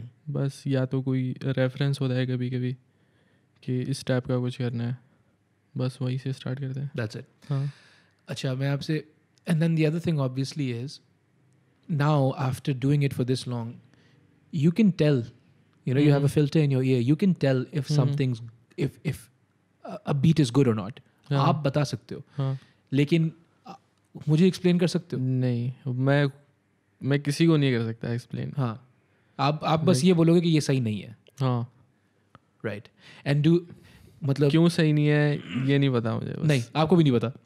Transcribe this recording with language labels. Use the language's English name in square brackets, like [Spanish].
[Hindi] बस या तो कोई रेफरेंस होता है कभी कभी कि इस टाइप का कुछ करना है, बस वहीं से स्टार्ट करते हैं. [English] That's it. [Hindi] हाँ अच्छा, मैं आपसे [English] And then the other thing obviously is now after doing it for this long you can tell. You know, you have a filter in your ear. You can tell if something's, if a beat is good or not. [Hindi] आप बता सकते हो. लेकिन मुझे explain कर सकते हो? नहीं, मैं किसी को नहीं कर सकता explain. हाँ, आप बस ये बोलोगे कि ये सही नहीं है. हाँ, [English] right. And do मतलब [Hindi] क्यों सही नहीं है ये नहीं पता मुझे. नहीं, आपको भी नहीं पता.